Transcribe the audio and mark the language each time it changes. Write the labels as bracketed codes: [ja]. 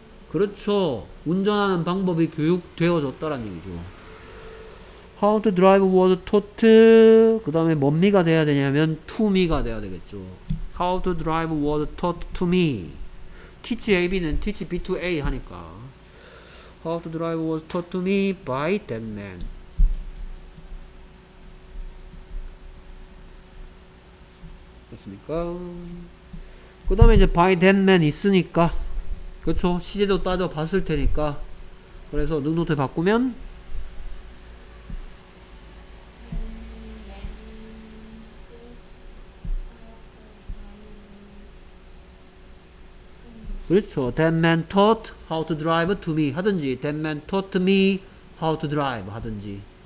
[ko] 그렇죠. 운전하는 방법이 교육되어졌다라는 얘기죠. [en] How to drive was taught. [ko] 그 다음에 뭔미가 돼야 되냐면 to me가 돼야 되겠죠. [en] How to drive was taught to me. Teach AB는 teach B to A [ko] 하니까 [en] How to drive was taught to me by that man. [ko] 됐습니까? 그 다음에 이제 [en] by that man [ko] 있으니까 그렇죠. 시제도 따져 봤을 테니까. 그래서 능동태 바꾸면 그렇죠. [en] That man taught how to drive to me [ko] 하든지 [en] That man taught me how to drive 하든지.